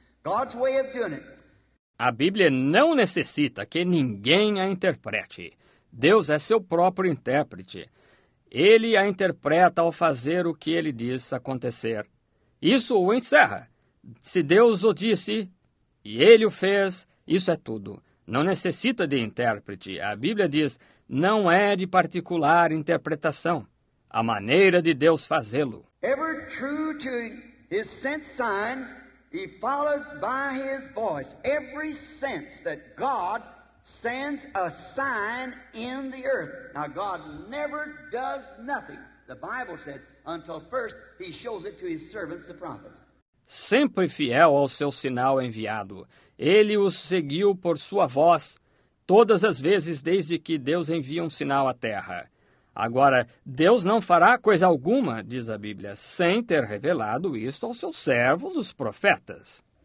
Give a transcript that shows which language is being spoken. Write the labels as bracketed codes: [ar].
[en] God's way of doing it. [pt] A Bíblia não necessita que ninguém a interprete. Deus é seu próprio intérprete. Ele a interpreta ao fazer o que ele diz acontecer. Isso o encerra. Se Deus o disse, e ele o fez, isso é tudo. Não necessita de intérprete. A Bíblia diz, não é de particular interpretação. A maneira de Deus fazê-lo. [en] Ever true to his sense sign, he followed by his voice. Every sense that God sends a sign in the earth. Now, God never does nothing, the Bible said, until first he shows it to his servants, the prophets. [pt] Sempre fiel ao seu sinal enviado, ele os seguiu por sua voz todas as vezes desde que Deus envia um sinal à terra. Agora, Deus não fará coisa alguma, diz a Bíblia, sem ter revelado isto aos seus servos, os profetas.